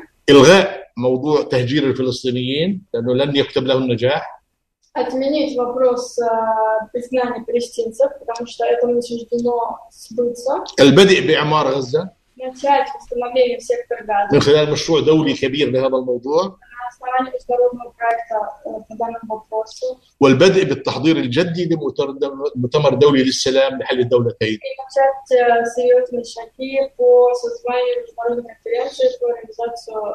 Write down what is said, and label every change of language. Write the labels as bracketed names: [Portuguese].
[Arabic] إلغاء موضوع تهجير الفلسطينيين لأنه لن يكتب له النجاح. [Russian] Отменить вопрос признания палестинцев, потому что это не суждено сбыться. [Arabic] البدء بإعمار غزة. [Russian] Начать восстановление сектора Газа. [Arabic] من خلال مشروع دولي كبير لهذا الموضوع. [Russian] Основание международного проекта по данному вопросу. [Arabic] والبدء بالتحضير الجدي لمؤتمر دولي للسلام لحل الدولتين. [Russian] И начать серьезные шаги по созданию международной конференции по реализации.